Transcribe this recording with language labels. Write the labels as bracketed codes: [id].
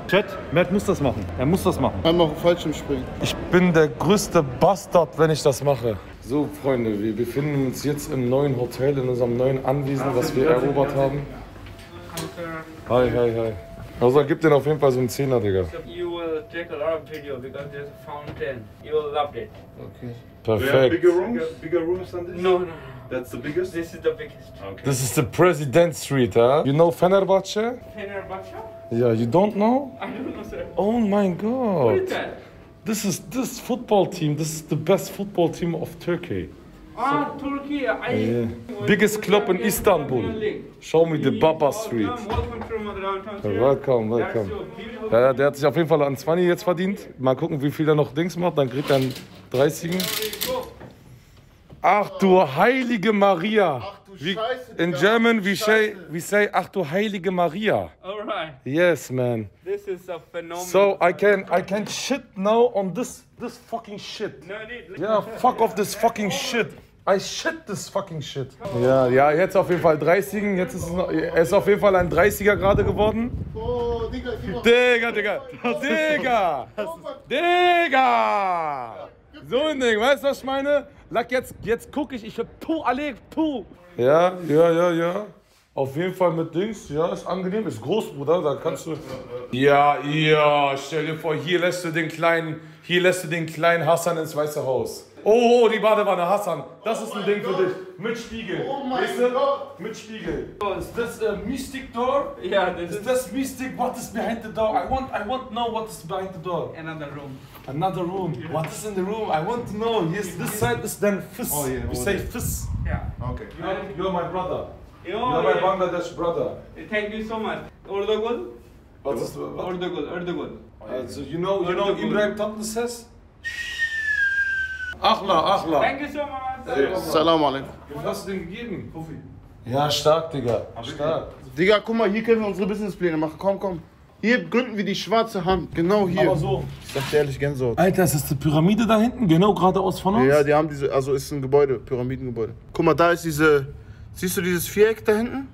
[de] Chat, Matt muss das machen. Er muss das machen. Einmal auf Fallschirm springen. Ich bin der größte Bastard, wenn ich das mache. So, Freunde, wir befinden uns jetzt im neuen Hotel, in unserem neuen Anwesen, was wir erobert haben. Hi. Also, gib den auf jeden Fall so einen Zehner, Digga. [en] You will take a lot of video because there's a fountain. You will love it. Okay. Perfect. Bigger rooms? Bigger rooms than this? No, no. That's the biggest? This is the biggest. Okay. This is the President Street, huh? You know Fenerbahce? Fenerbahce? Yeah, you don't know? I don't know, sir. Oh my God. What is that? This is this football team. This is the best football team of Turkey. Ah, so, Turkey. Yeah. Biggest club in Istanbul. Show me the Baba Street. Welcome, welcome. [de] Ja, der hat sich auf jeden Fall an 20 jetzt verdient. Mal gucken, wie viel er noch Dings macht. Dann kriegt er einen 30er. Ach du heilige Maria. Ach du Scheiße. [en] In German, we say, [de] ach du heilige Maria. [en] Yes, man. This is a phenomenal. So I can shit now on this fucking shit. No, need. Yeah, fuck off this fucking shit. I shit this fucking shit. [de] Ja, ja, jetzt auf jeden Fall 30er. Jetzt ist es auf jeden Fall ein 30er gerade geworden. Oh, Digga. So ein Ding, weißt du, was ich meine? Lack, jetzt guck ich hab tu. Ja. Auf jeden Fall mit Dings, ja, ist angenehm, ist groß, Bruder, da kannst du... Ja, stell dir vor, hier lässt du den kleinen Hassan ins Weiße Haus. Oh, die Badewanne, Hassan, das ist ein Ding für dich. Mit Spiegel. Oh mein Gott. Mit Spiegel. Ist das ein Mystic Door? Ja, das ist... Ist das Mystic, [en] what is behind the door? I want to know what is behind the door. Another room. Yeah. What is in the room? I want to know. Yes, this side is then Fiss. Oh yeah. We say Fiss. Yeah. Okay. You're my brother. You're my Bangladesh brother. Thank you so much. Urdugul? What is the... Urdugul. So you know Ibrahim Tatlı says? Achla. Thank you so much. Hey. [ar] Salam alaikum. [de] Was hast du denn gegeben, Kofi? Ja, stark, Digga. Stark. Digga, guck mal, hier können wir unsere Businesspläne machen. Komm. Hier gründen wir die schwarze Hand, genau hier. Aber so. Ich sag dir ehrlich, Gänsehaut. Alter, ist das die Pyramide da hinten, genau geradeaus von uns? Ja, die haben diese, also ist ein Gebäude, Pyramidengebäude. Guck mal, da ist diese, siehst du dieses Viereck da hinten?